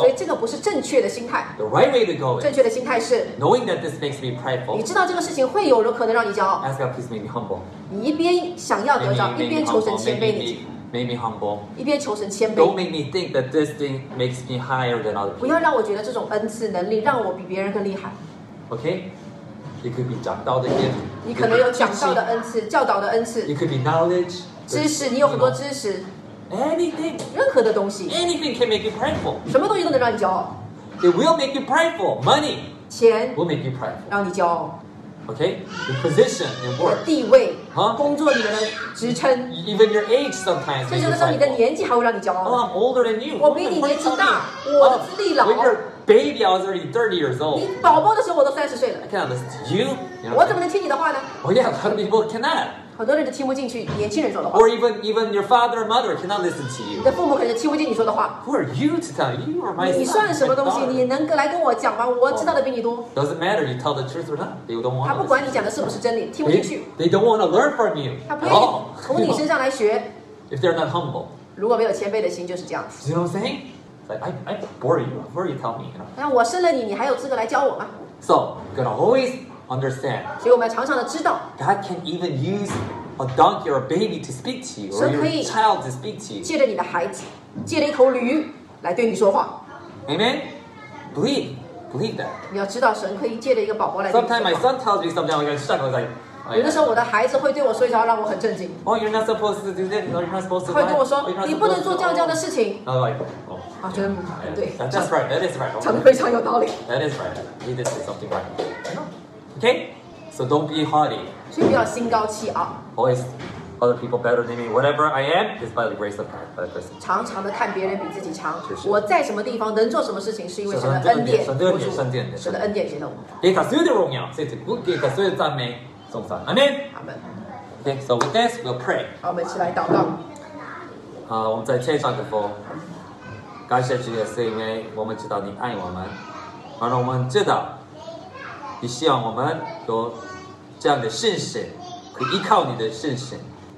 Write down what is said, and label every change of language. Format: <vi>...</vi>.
<zh>所以这个不是正确的心态。</zh> <en>The right way to go.</en> <zh>正确的心态是</zh> <en>knowing that this makes me prideful.</en> <zh>你知道这个事情会有可能让你骄傲。</zh> <en>Ask God please make me humble.</en> <zh>你一边想要得着，一边求神谦卑你。</zh> <en>Make me humble.</en> <zh>一边求神谦卑。</zh> <en>Don't make me think that this thing makes me higher than other people.</en> <zh>不要让我觉得这种恩赐能力让我比别人更厉害。</zh> <en>Okay. It could be</en> <zh>讲道的恩赐，你可能有讲道的恩赐、教导的恩赐。</zh> <en>It could be knowledge，</en> <zh>知识，你有很多知识。</zh> <en>Anything，</en> <zh>任何的东西。</zh> <en>Anything can make you prideful，</en> <zh>什么东西都能让你骄傲。</zh> <en>It will make you prideful， money，</en> <zh>钱</zh> <en>will make you prideful，</en> <zh>让你骄傲。</zh> <en>Okay， your position and work，</en> <zh>地位，哈，工作里面的职称。</zh> <en>Even your age sometimes，</en> <zh>甚至有时候你的年纪还会让你骄傲。</zh> <en>Oh， I'm older than you，</en> <zh>我比你年纪大，我资历老。</zh> <en>Baby, I was already 30 years old.</en> <zh>你宝宝的时候我都30岁了。</zh> <en>I cannot listen to you. You know,</en> <zh>我怎么能听你的话呢</zh> <en>？Oh yeah, a lot of people cannot.</en> <zh>很多人都听不进去年轻人说的话。</zh> <en>Or even your father and mother cannot listen to you.</en> <zh>你的父母可能就听不进你说的话。</zh> <en>Who are you to tell you? You are my son.</en> <zh>你算什么东西？你能来跟我讲吗？我知道的比你多。</zh> <en>Doesn't matter you tell the truth or not. They don't want.</en> <zh>他不管你讲的是不是真理，听不进去。</zh> <en>They don't want to learn from you.</en> <zh>他不愿意从你身上来学。</zh> <en>If they're not humble.</en> <zh>如果没有谦卑的心，就是这样子。</zh> <en>You know what I'm saying? Like I bore you. What are you telling me?</en> <zh>那我生了你，你还有资格来教我吗？</zh> <en>So, you're gonna always understand.</en> <zh>所以我们要常常的知道。</zh> <en>God can even use a donkey or a baby to speak to you, or your child to speak to you.</en> <zh>借着你的孩子，借着一头驴来对你说话。</zh> <en>Amen. Believe that.</en> <zh>你要知道，神可以借着一个宝宝来。</zh> <en>Sometimes my son tells me something, I'm gonna shudder like.</en> <zh>有的时候我的孩子会对我说一句话让我很震惊。</zh> <en>Oh, you're not supposed to do that. No, you're not supposed to.</en> <zh>会跟我说你不能做这样的事情。</zh> <en>Oh, like, oh,</en> <zh>觉得对。</zh> <en>That's right. That is right.</en> <zh>讲得非常有道理。</zh> <en>That is right. You did say something right. Okay, so don't be haughty.</en> <zh>所以不要心高气傲。</zh> <en>Always, other people better than me. Whatever I am is by the grace of God, by the grace.</en> <zh>常常的看别人比自己强。我在什么地方能做什么事情，是因为神的恩典。神的恩典引导我们。给他所有的荣耀，给他所有的赞美。</zh> <en>Amen. Okay, so with this, we'll pray.</en> <zh>好，我们一起来祷告。我们在天上的父，感谢主耶稣，因为我们知道你爱我们，而我们知道你希望我们有这样的信心，可以依靠你的信心。</zh>